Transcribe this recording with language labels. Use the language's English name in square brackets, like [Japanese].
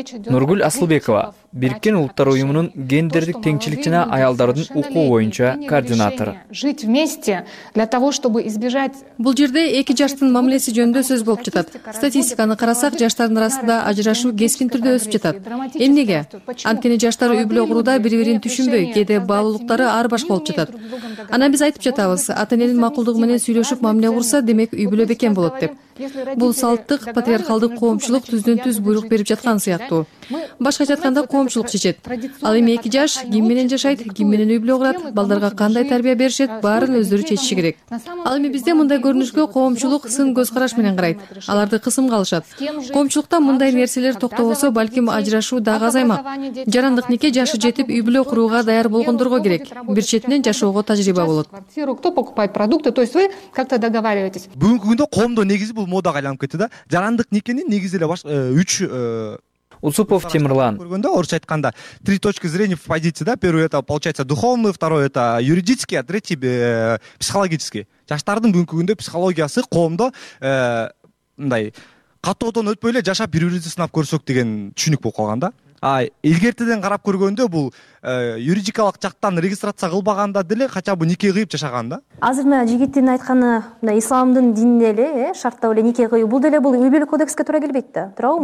[Kyrgyz] Нургул Асылбекова, Биркен Улуттар Уюмунун гендердик теңчилик жана аялдардын укугу боюнча координатору. [Russian] Жить вместе для того, чтобы избежать. [Kyrgyz] Бул жерде эки жаштын мамилеси жөнүндө сөз болуп жатат. Статистиканы карасак, жаштардын арасында ажырашуу кескин түрдө өсүп жатат. Эмнеге? Анткени жаштар үй бүлө курууда бири-бирин түшүнбөй, кээде баалуулуктары ар башка болуп жатат. Анан биз айтып жатабыз, ата-эненин макулдугу менен сүйлөшүп мамиле курса, демек үй бүлө бекем болот деп. Бул салттык, патриархалдык коомчулук түздөн-түз буйрук берип жаткан сыяктуу. Башка жатканда коомчулук чечет. Ал эми эки жаш ким менен жашайт, ким менен үй бүлө курат, балдарга кандай тарбия беришет, баарын өздөрү чечиши керек. Ал эми бизде мындай көрүнүшкө коомчулук сын көз караш менен карайт. Аларды кысымга алышат. Коомчулукта мындай нерселер токтобосо, балким ажырашуу дагы азаймак. Жарандык нике жашы жетип үй бүлө курууга даяр болгондорго керек. Бир четинен жашоого тажрыйба болот. [Russian] Кто покупает продукты, то есть вы как-то договариваетесь. [Kyrgyz] Бүгүнкү күндө коомдо негизи бул модага айланып кетти да. Жарандык никенин негизи эле баш 3 Усупов Темирлан. Көргөндө орусча айтканда [Russian] три точки зрения в позиции, да? Первый это получается духовный, второй это юридический, а третий психологический. [Kyrgyz] Жаштардын бүгүнкү күндө психологиясы коомдо мындай катоодон өтпөй эле жашап бири-бирибизди сынап көрсөк деген түшүнүк болуп калган да. А илгертеден карап көргөндө бул юридикалык жактан регистрация кылбаганда деле [Russian] хотя бы [Kyrgyz] нике кыйып жашаган да. Азыр мына жигиттин айтканы мына исламдын динине эле шарттап эле нике кыюу бул деле бул үй бүлө кодекске туура келбейт да. Туурабы?